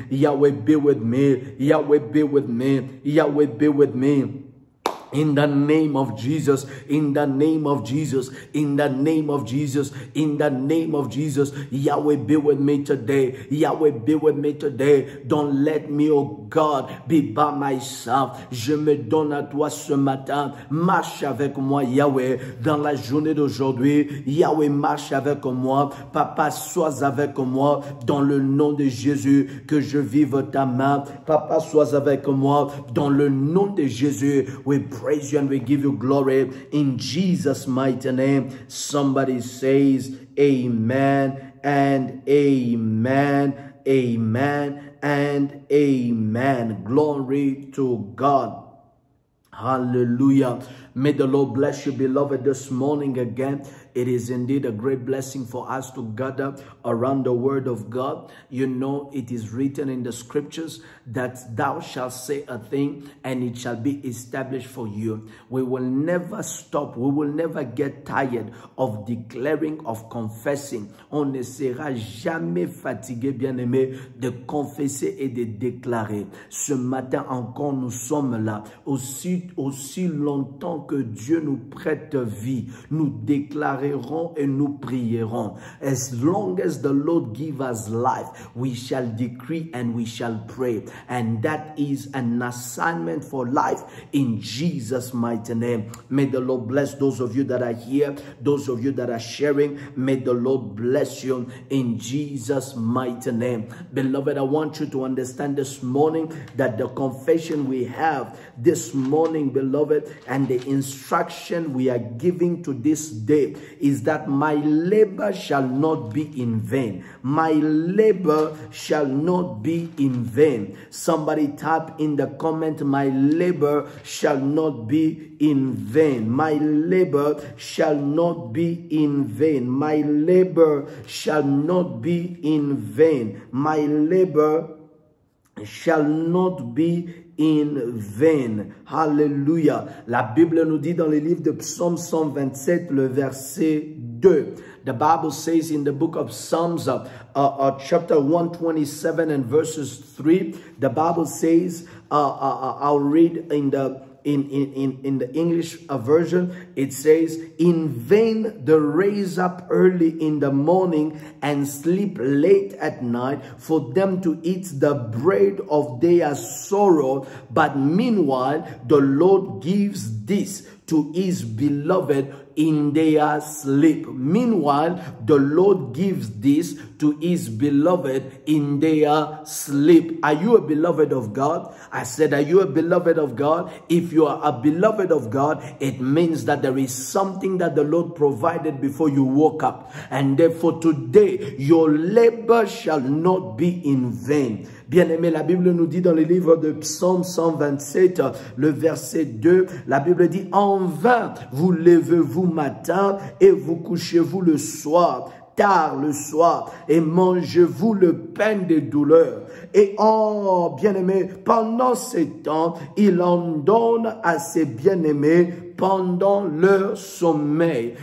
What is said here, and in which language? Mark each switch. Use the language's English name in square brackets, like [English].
[English] Yahweh, be with me. Yahweh, be with me. Yahweh, be with me. In the name of Jesus, in the name of Jesus, in the name of Jesus, in the name of Jesus, Yahweh be with me today. Yahweh be with me today. Don't let me, oh God, be by myself. [French] Je me donne à toi ce matin. Marche avec moi, Yahweh, dans la journée d'aujourd'hui. Yahweh, marche avec moi. Papa, sois avec moi dans le nom de Jésus, que je vive ta main. Papa, sois avec moi dans le nom de Jésus. [English] Oui, praise you and we give you glory in Jesus' mighty name. Somebody says amen and amen, amen and amen. Glory to God. Hallelujah. May the Lord bless you, beloved, this morning again. It is indeed a great blessing for us to gather around the word of God. You know, it is written in the scriptures that thou shalt say a thing and it shall be established for you. We will never stop. We will never get tired of declaring, of confessing. [French] On ne sera jamais fatigué, bien-aimé, de confesser et de déclarer. Ce matin encore, nous sommes là. Aussi longtemps que Dieu nous prête vie, nous déclarer et nous prierons. [English] As long as the Lord gives us life, we shall decree and we shall pray. And that is an assignment for life in Jesus' mighty name. May the Lord bless those of you that are here, those of you that are sharing. May the Lord bless you in Jesus' mighty name. Beloved, I want you to understand this morning that the confession we have this morning, beloved, and the instruction we are giving to this day is that my labor shall not be in vain. My labor shall not be in vain. Somebody type in the comment, my labor shall not be in vain. My labor shall not be in vain. My labor shall not be in vain. My labor shall not be in vain. In vain. Hallelujah. [French] La Bible nous dit dans le livre de Psaume 127, le verset 2. [English] The Bible says in the book of Psalms, chapter 127 and verses 3, the Bible says, I'll read in the English version, it says, in vain the raise up early in the morning and sleep late at night for them to eat the bread of their sorrow. But meanwhile, the Lord gives this to his beloved in their sleep. Meanwhile, the Lord gives this to his beloved in their sleep. Are you a beloved of God? I said, are you a beloved of God? If you are a beloved of God, it means that there is something that the Lord provided before you woke up. And therefore today, your labor shall not be in vain. [French] Bien-aimé, la Bible nous dit dans le livre de Psaume 127, le verset 2, la Bible dit, en vain vous levez-vous matin et vous couchez-vous le soir, tard le soir, et mangez-vous le pain des douleurs. Et oh, bien-aimé, pendant ce temps, il en donne à ses bien-aimés pendant leur sommeil.